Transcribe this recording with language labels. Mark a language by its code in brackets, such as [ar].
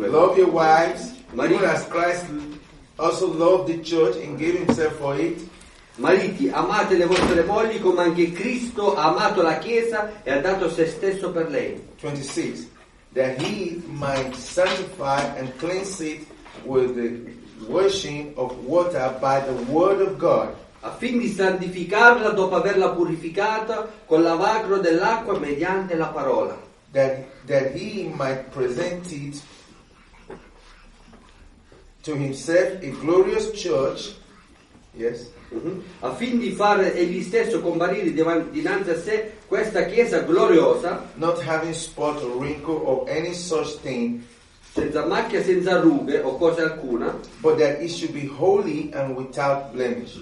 [en] Love your wives, even as Christ also loved the church and gave himself for it. [it] Mariti, amate le vostre mogli come anche Cristo ha amato la Chiesa e ha dato se stesso per lei. [en] 26. That he might sanctify and cleanse it with the washing of water by the word of God. [it] A fin di santificarla dopo averla purificata con lavacro dell'acqua mediante la parola. [en] That he might present it to himself a glorious church. Yes. [it] A fin di far egli stesso comparire dinanzi a sé questa chiesa gloriosa, [en] not having spot or wrinkle or any such thing, [it] senza macchia, senza rughe o cosa alcuna, [en] but that it should be holy and without blemish,